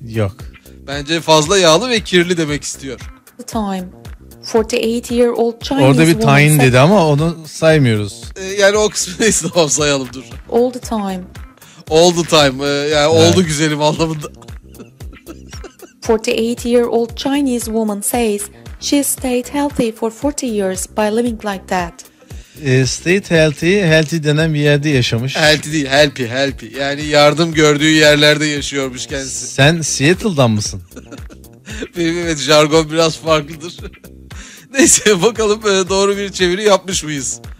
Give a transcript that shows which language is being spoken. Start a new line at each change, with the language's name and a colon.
Turkish: Yok. Bence fazla yağlı ve kirli demek istiyor.
English: The time. 48-year-old Chinese.
Turkish: Orada bir tayin dedi ama onu saymıyoruz. Yani o kısmı neyse tamam sayalım dur.
English: All the time. All the time.
Turkish: Yani evet. Oldu güzelim anlamında.
English: 48-year-old Chinese woman says she stayed healthy for 40 years by living like that. Stayed healthy,
Turkish: healthy denen bir yerde yaşamış. Healthy değil, healthy, healthy. Yani yardım gördüğü yerlerde yaşıyormuş kendisi. Sen Seattle'dan mısın? Benim evet, jargon biraz farklıdır. Neyse bakalım doğru bir çeviri yapmış mıyız?